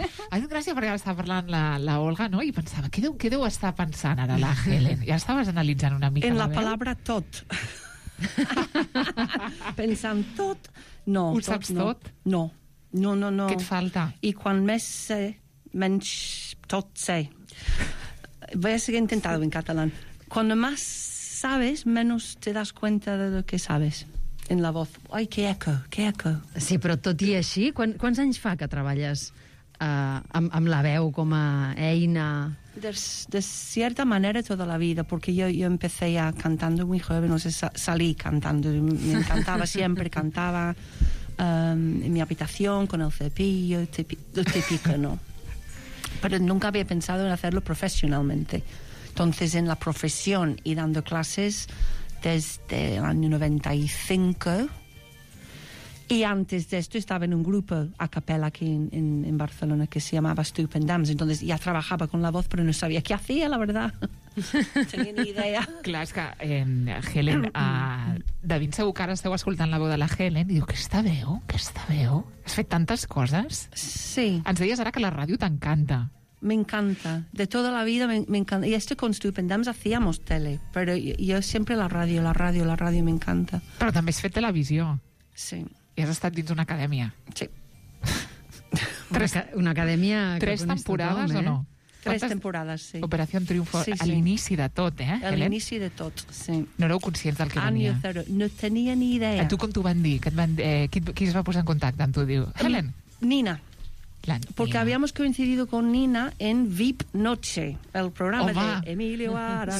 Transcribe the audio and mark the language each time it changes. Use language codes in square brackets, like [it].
[ca] Ha dit gràcia perquè estava parlant la Olga, no? I pensava, què deu estar pensant ara la Helen? Ja estaves analitzant una mica en la palabra tot. Pensant tot, no. Ho saps tot? No. No, no, no. Què et falta? I quan més sé, menys tot sé. [es] Voy a seguir intentando en catalán. Cuando más sabes, menos te das cuenta de lo que sabes. En la voz. Ai, que eco, que eco. [ca] Sí, però tot i així, quants anys fa que treballes amb la veu com a eina? [es] De cierta manera toda la vida, porque yo empecé ya cantando muy joven, o sea, salí cantando, me encantaba siempre, cantaba en mi habitación con el cepillo, lo típico, ¿no? Pero nunca había pensado en hacerlo profesionalmente. Entonces, en la profesión y dando clases desde el año 95, y antes de esto estaba en un grupo a capella aquí en Barcelona que se llamaba Stupid Dams. Entonces ya trabajaba con la voz, pero no sabía qué hacía, la verdad. Tenia ni idea. [ca] Clar, és que Helen, de ben segur que ara esteu escoltant la veu de la Helen i diu, que està veu, has fet tantes coses. Sí. Ens deies ara que la ràdio t'encanta. [es] Me encanta, de toda la vida me encanta. Y esto con Stupid Dams hacíamos tele, pero yo siempre la radio me encanta. Pero también [ca] has fet televisió. Sí. Y has estat dins una acadèmia. Sí. una acadèmia... Tres temporades o no? Tres temporades, sí. Operación Triunfo, sí, a l'inici de tot, eh? A l'inici de tot, sí. No éreu conscients del que venia. [es] Año cero, no tenia ni idea. [ca] A tu com t'ho van dir? Qui es va posar en contacte amb tu? Diu, Helen. Nina. [es] Porque habíamos coincidido con Nina en VIP Noche, el programa de Emilio Aragón.